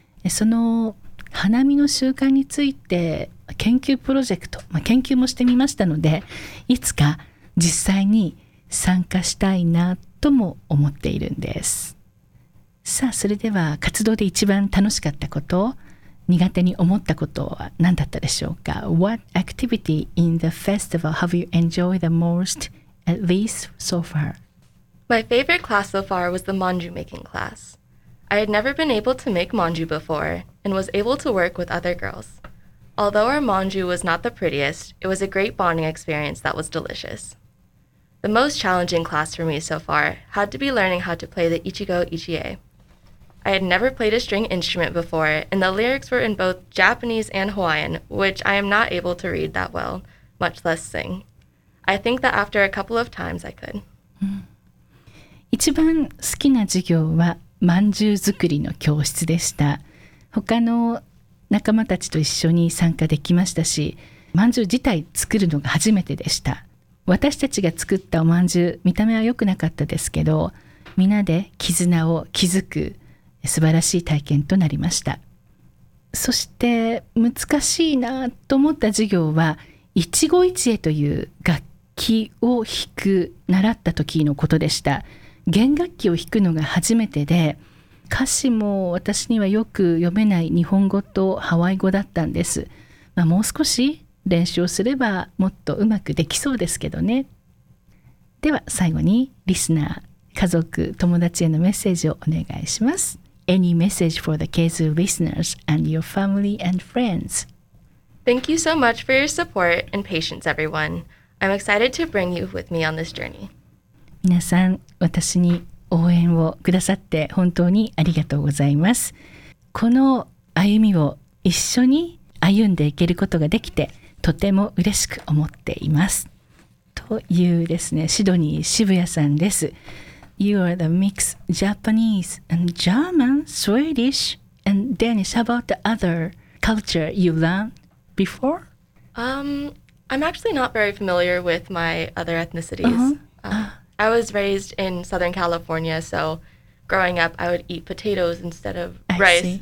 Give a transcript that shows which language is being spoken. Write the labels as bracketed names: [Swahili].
[Japanese] その花見の習慣について研究プロジェクト、研究もしてみましたので、いつか実際に参加したいなとも思っているんです。さあ、それでは活動で一番楽しかったこと、苦手に思ったことは何だったでしょうか？ [English] What activity in the festival have you enjoyed the most, at least so far? My favorite class so far was the manju making class. I had never been able to make manju before and was able to work with other girls. Although our manju was not the prettiest, it was a great bonding experience that was delicious. The most challenging class for me so far had to be learning how to play the ichigo ichie. I had never played a string instrument before, and the lyrics were in both Japanese and Hawaiian, which I am not able to read that well, much less sing. I think that after a couple of times, I could. [Japanese] 一番好きな授業は饅頭作りの教室でした。他の仲間たちと一緒に参加できましたし、饅頭自体作るのが初めてでした。私たちが作ったお饅頭、見た目は良くなかったですけど、みんなで絆を築く素晴らしい体験となりました。そして難しいなと思った授業は、一期一会という楽器を弾く習った時のことでした。弦楽器を弾くのが初めてで、歌詞も私にはよく読めない日本語とハワイ語だったんです。まあ、もう少し練習をすればもっとうまくできそうですけどね。では最後にリスナー、家族、友達へのメッセージをお願いします。 [English] Any message for the Kezu listeners and your family and friends? Thank you so much for your support and patience, everyone. I'm excited to bring you with me on this journey. [Japanese] 皆さん、私に応援をくださって本当にありがとうございます。この歩みを一緒に歩んでいけることができて、とても嬉しく思っています。というですね、シドニー渋谷さんです。 [English] You are the mix Japanese and German, Swedish and Danish. How about the other culture you learned before? I'm actually not very familiar with my other ethnicities. I was raised in Southern California, so growing up, I would eat potatoes instead of rice.